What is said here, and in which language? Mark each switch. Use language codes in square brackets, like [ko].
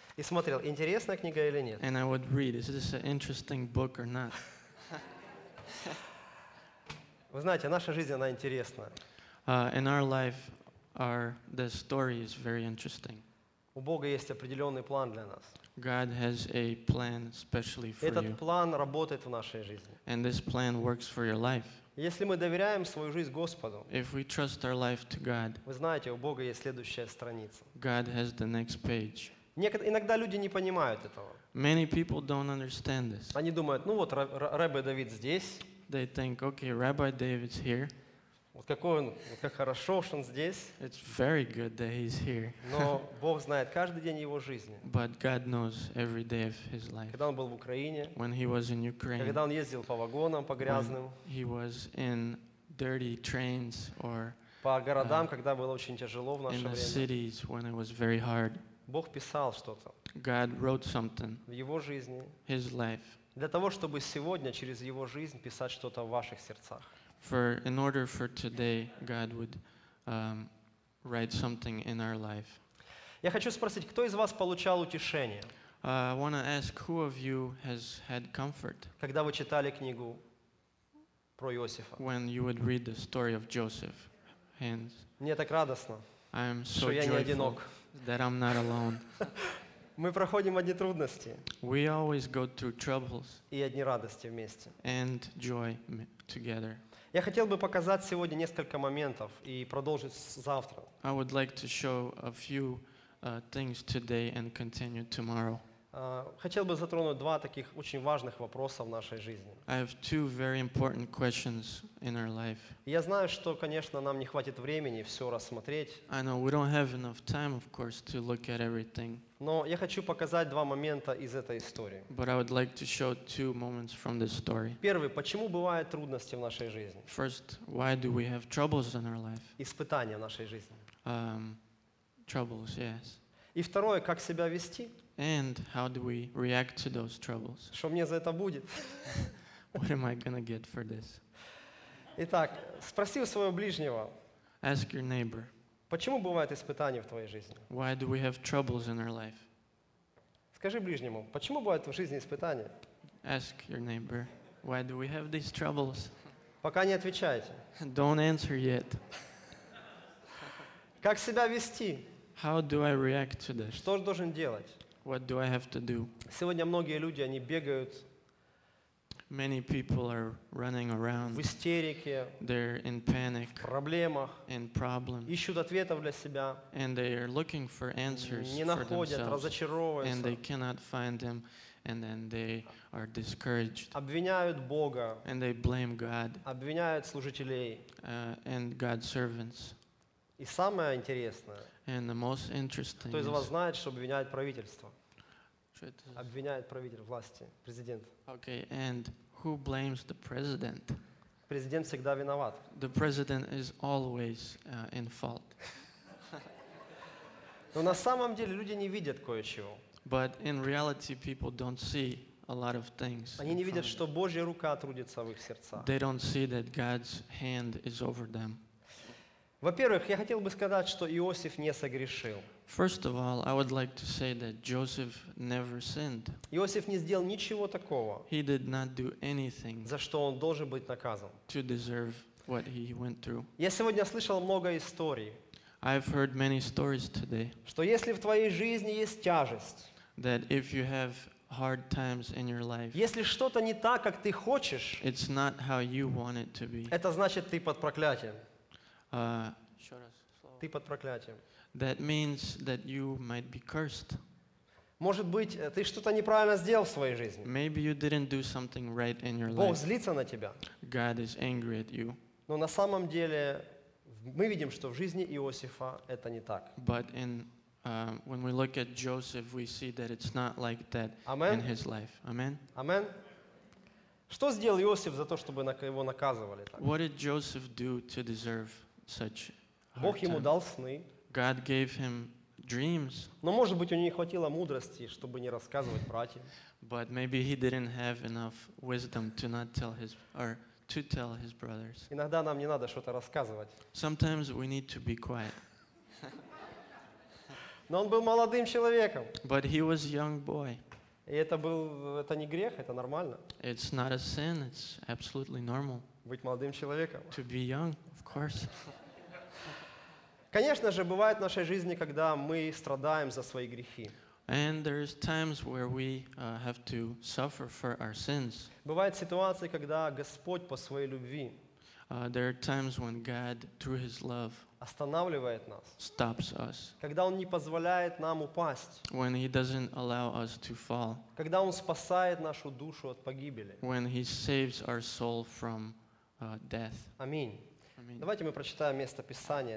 [ru] И смотрел, интересная книга или нет. [en] And I would read, is this an interesting book or not? [ru] Вы знаете, наша жизнь она интересна. [en] In our life, the story is very interesting. [ru] У Бога есть определенный план для нас. [en] God has a plan specially for you. [ru] Этот план работает в нашей жизни. [en] And this plan works for your life. [ru] Если мы доверяем свою жизнь Господу, [en] if we trust our life to God, [ru] вы знаете, у Бога есть следующая страница. [en] God has the next page. [ru] Иногда люди не понимают этого. [en] Many people don't understand this. [ru] Они думают: ну вот, Рабби Давид здесь. [en] They think, okay, Rabbi David's here. [ru] Вот какой он, как хорошо, что он здесь. [en] It's very good that he's here. [ru] Но Бог знает каждый день его жизни. [en] But God knows every day of his life. [ru] Когда он был в Украине. [en] When he was in Ukraine. [ru] Когда он ездил по вагонам, по грязным. [en] He was in dirty trains or. [ru] По городам, когда было очень тяжело в наше время. [en] In the cities when it was very hard. [ru] Бог писал что-то. [en] God wrote something. [ru] В его жизни. [en] His life. [ru] Для того, чтобы сегодня через его жизнь писать что-то в ваших сердцах. [en] In order for today, God would write something in our life. [ru] Я хочу спросить, кто из вас получал утешение? [en] I want to ask who of you has had comfort. [ru] Когда вы читали книгу про Иосифа? [en] When you would read the story of Joseph. And [ru] мне так радостно, [en] I'm so [ru] что я не одинок. [en] That I'm not alone. [ru] Мы проходим одни трудности. [en] We always go through troubles. [ru] И одни радости вместе. [en] And joy together. [ru] Я хотел бы показать сегодня несколько моментов и продолжить завтра. [en] I would like to show a few things today and continue tomorrow. [ru] Хотел бы затронуть два таких очень важных вопроса в нашей жизни. [en] I have two very important questions in our life. [ru] Я знаю, что, конечно, нам не хватит времени все рассмотреть. [en] I know we don't have enough time, of course, to look at everything. [ru] Но я хочу показать два момента из этой истории. [en] But I would like to show two moments from this story. [ru] Первый, почему бывают трудности в нашей жизни? [en] First, why do we have troubles in our life? [ru] Испытания в нашей жизни. [en] Troubles, yes. [ru] И второе, как себя вести? [en] And how do we react to those troubles? [ru] Что мне за это будет? [en] What am I gonna get for this? [ru] Итак, спроси у своего ближнего. [en] Ask your neighbor. [ru] Почему бывают испытания в твоей жизни? [en] Why do we have troubles in our life? [ru] Скажи ближнему, почему бывают в жизни испытания? [en] Ask your neighbor, why do we have these troubles? [ru] Пока не отвечайте. [en] Don't answer yet. [ru] Как себя вести? [en] How do I react to this? [ru] Что же должен делать? [en] What do I have to do? [ru] Сегодня многие люди, они бегают. [en] Many people are running around. [ru] В истерике. [en] They're in panic. [ru] В проблемах. [en] In problems. [ru] Ищут ответов для себя. [en] And they are looking for answers. [ru] Не находят, разочаровываются. [en] And they cannot find them. And then they are discouraged. [ru] Обвиняют Бога. [en] And they blame God. [ru] Обвиняют служителей. [en] And God's servants. [ru] И самое интересное. [en] And the most interesting. [ru] Кто из вас знает, что обвиняют правительство? Обвиняют правитель власти, президент. [en] Okay, and who blames the president? [ru] Президент всегда виноват. [en] The president is always in fault. [ru] Но на самом деле люди не видят кое-чего. [en] But in reality, people don't see a lot of things. [ru] Они не видят, что Божья рука трудится в их сердцах. [en] They don't see that God's hand is over them. [ru] Во-первых, я хотел бы сказать, что Иосиф не согрешил. [en] First of all, I would like to say that Joseph never sinned. [ru] Иосиф не сделал ничего такого. [en] He did not do anything. [ru] За что он должен быть наказан? [en] To deserve what he went through. [ru] Я сегодня слышал много историй. [en] I've heard many stories today. [ru] Что если в твоей жизни есть тяжесть? [en] That if you have hard times in your life. [ru] Если что-то не так, как ты хочешь. [en] It's not how you want it to be. [ru] Это значит, ты под проклятием. Еще раз слово. Ты под проклятием. [en] That means that you might be cursed. [ru] Может быть, ты что-то неправильно сделал в своей жизни. [en] Maybe you didn't do something right in your life. [ru] Бог злится на тебя. [en] God is angry at you. [ru] Но на самом деле мы видим, что в жизни Иосифа это не так. [en] But in when we look at Joseph, we see that it's not like that. Amen. In his life. Amen. Amen. [ru] Что сделал Иосиф за то, чтобы его наказывали? [en] What did Joseph do to deserve such hard time? [ru] Бог ему дал сны. [en] God gave him dreams. [ru] Но может быть, у него не хватило мудрости, чтобы не рассказывать братьям. [en] But maybe he didn't have enough wisdom to not tell his or to tell his brothers. [ru] Иногда нам не надо что-то рассказывать. [en] Sometimes we need to be quiet. [ru] Но он был молодым человеком. [en] But he was a young boy. [ru] И это не грех, это нормально. [en] It's not a sin, it's absolutely normal. [ru] Быть молодым человеком. [en] To be young, of course. [ru] Конечно же, бывает в нашей жизни, когда мы страдаем за свои грехи. [en] And there's times where we have to suffer for our sins. [ru] Бывают ситуации, когда Господь по своей любви [en] there are times when God, through His love, [ru] останавливает нас. [en] Stops us. [ru] Когда Он не позволяет нам упасть. [en] When He doesn't allow us to fall. [ru] Когда Он спасает нашу душу от погибели. [en] When He saves our soul from death. [ru] Аминь. Давайте мы прочитаем место Писания.